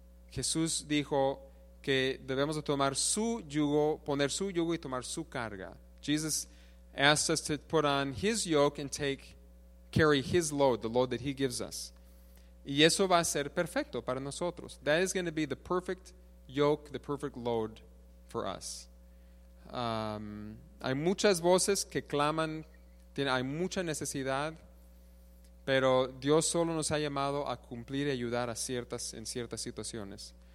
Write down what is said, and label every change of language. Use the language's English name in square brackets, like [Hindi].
[Spanish] Jesús dijo que debemos tomar su yugo, poner su yugo y tomar su carga. [English] Jesus asks us to put on his yoke and carry his load, the load that he gives us. [Spanish] Y eso va a ser perfecto para nosotros. [English] That is going to be the perfect yoke, the perfect load for us. [Spanish] Hay muchas voces que claman, hay mucha necesidad, pero Dios solo nos ha llamado a cumplir y ayudar en ciertas situaciones.